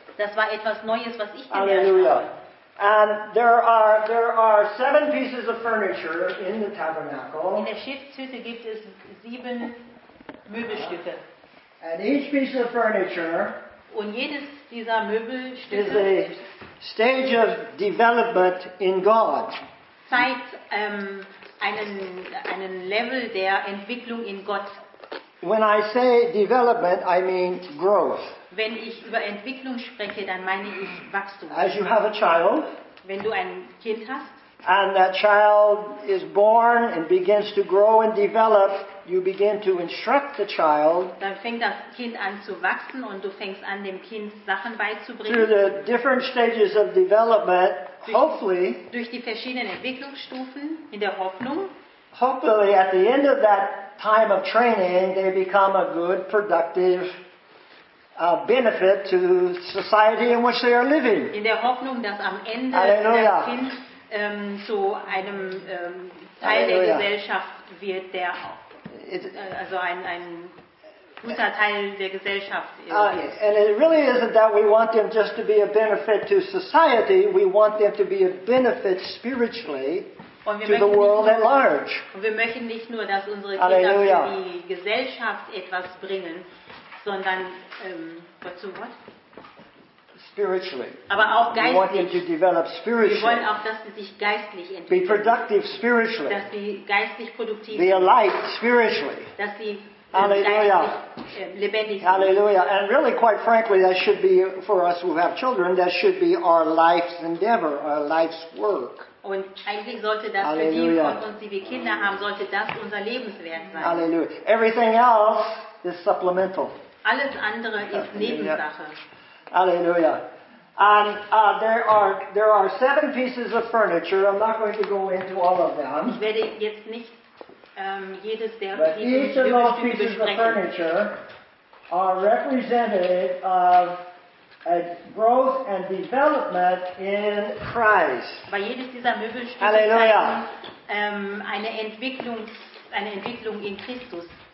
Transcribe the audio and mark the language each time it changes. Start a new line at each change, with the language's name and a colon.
German: Das war etwas Neues, was ich gelernt habe.
English: And there are 7 pieces of furniture in the tabernacle.
German: In der Schiffshütte gibt es 7 Möbelstücke.
English: And each piece of furniture.
German: Und jedes dieser Möbelstücke
English: is a stage of development in God.
German: Zeigt einen Level der Entwicklung in Gott.
English: When I say development, I mean growth.
German: Wenn ich über Entwicklung spreche, dann meine ich Wachstum.
English: As you have a child,
German: wenn du ein Kind hast,
English: and that child is born and begins to grow and develop, you begin to instruct the child.
German: Dann fängt das Kind an zu wachsen und du fängst an, dem Kind Sachen beizubringen.
English: Through the different stages of development, hopefully.
German: Durch die verschiedenen Entwicklungsstufen in der Hoffnung.
English: Hopefully, at the end of that time of training, they become a good, productive benefit to society in which they are living.
German: In der Hoffnung, dass am Ende Halleluja. Das Kind zu einem Teil Halleluja. Der Gesellschaft wird, der also ein guter Teil der Gesellschaft ist.
English: And it really isn't that we want them just to be a benefit to society, we want them to be a benefit spiritually to the world at large.
German: Und wir möchten nicht nur, dass unsere Kinder Halleluja. Für die Gesellschaft etwas bringen, sondern dazu was?
English: Spiritually.
German: Aber auch geistlich.
English: We want them to develop spiritually.
German: Wir wollen auch, dass sie sich geistlich entwickeln.
English: Be productive spiritually.
German: Dass sie geistlich produktiv sind.
English: Be alive spiritually.
German: Dass sie Halleluja. Lebendig sind. Halleluja.
English: And really, quite frankly, that should be for us who have children, that should be our life's endeavor, our life's work.
German: Und eigentlich sollte das Halleluja. Für die von uns, die wir Kinder haben, sollte das unser Lebenswerk sein.
English: Halleluja. Everything else is supplemental.
German: Alles andere ist Nebensache. Halleluja.
English: And there are 7 pieces of furniture. I'm not going to go into all of them.
German: Ich werde jetzt nicht jedes der Möbelstücke besprechen.
English: Of furniture are representative of a growth and development in Christ.
German: Bei jedes dieser Möbelstücke Halleluja. eine Entwicklung in Christus.